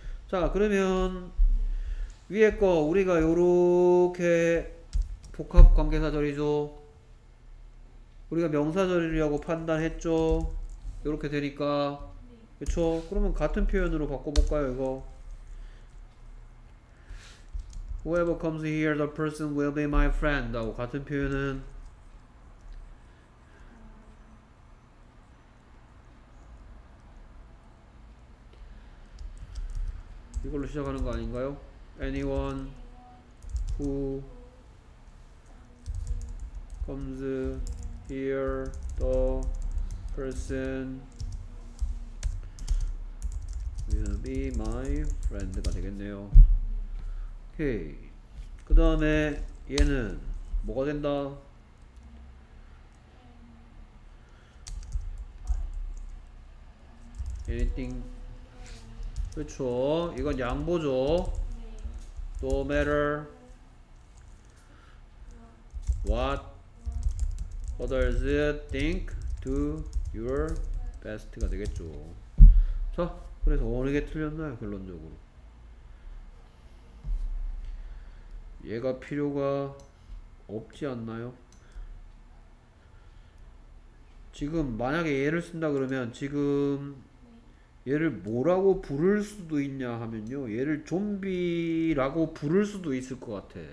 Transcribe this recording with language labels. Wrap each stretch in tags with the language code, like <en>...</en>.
<ko>자, 그러면 위에 거 우리가 요렇게 복합관계사절이죠. 우리가 명사절이라고 판단했죠. 요렇게 되니까. 그쵸? 그러면 같은 표현으로 바꿔볼까요, 이거?</ko> <en>Whoever comes here, the person will be my friend.</en> <ko>하고 같은 표현은 이걸로 시작하는 거 아닌가요?</ko> <en>Anyone who comes here, the person will be my friend가</en> <ko>되겠네요. 오케이. 그 다음에 얘는 뭐가 된다? 에니띵. 그쵸. 이건 양보죠. 네.</ko> <en>No matter what others think to your best가</en> <ko>되겠죠. 자, 그래서 어느 게 틀렸나요, 결론적으로? 얘가 필요가 없지 않나요? 지금 만약에 얘를 쓴다 그러면 지금 얘를 뭐라고 부를 수도 있냐 하면요, 얘를 좀비라고 부를 수도 있을 것 같아.</ko>